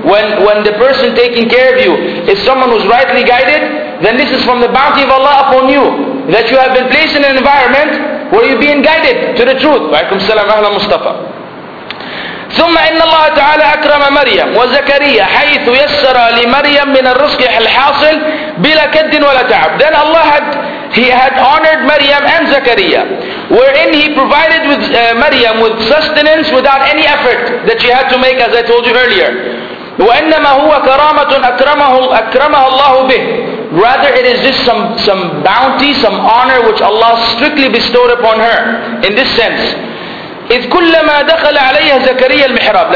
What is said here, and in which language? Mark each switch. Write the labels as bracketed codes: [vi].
[en] when the person taking care of you is someone who's rightly guided, then this is from the bounty of Allah upon you, that you have been placed in an environment where you're being guided to the truth. [ar] Waalaikum salam ahla Mustafa. ثم إن الله تعالى أكرم مريم وزكريا حيث يسر لمريم من الرزق الحاصل بلا كد ولا تعب. [en] Then Allah had honored Maryam and Zakaria, wherein He provided with Maryam with sustenance without any effort that she had to make, as I told you earlier. [ar] وإنما هو كرامة أكرمها الله به. [en] Rather, it is just some bounty, some honor which Allah strictly bestowed upon her in this sense. [ar] إذ كلما دخل عليها زكريا المحراب.